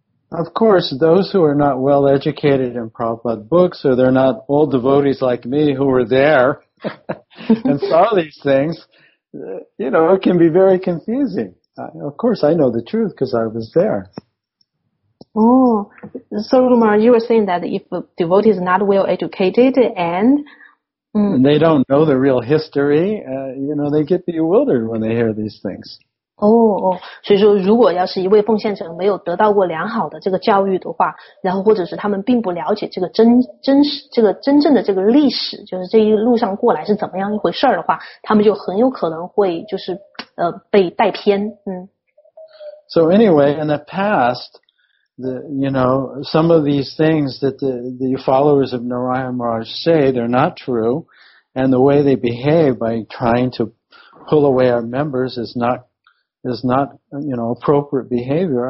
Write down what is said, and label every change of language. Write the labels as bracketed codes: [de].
[en] Of course, those who are not well educated in Prabhupada books, or they're not old devotees like me who were there and saw these things, you know, it can be very confusing. Of course, I know the truth because I was there. Oh, so Lumar, you were saying that if a devotee is not well educated and... And they don't know the real history, you know, they get bewildered when they hear these things. [zh] Oh, 所以说如果要是一位奉献者没有得到过良好的这个教育的话，然后或者是他们并不了解这个真正的这个历史，就是这一路上过来是怎么样一回事的话，他们就很有可能会就是被带偏。 [en] So anyway, in the past, some of these things that the followers of Narayan Maharaj say, they're not true, and the way they behave by trying to pull away our members is not, you know, appropriate behavior.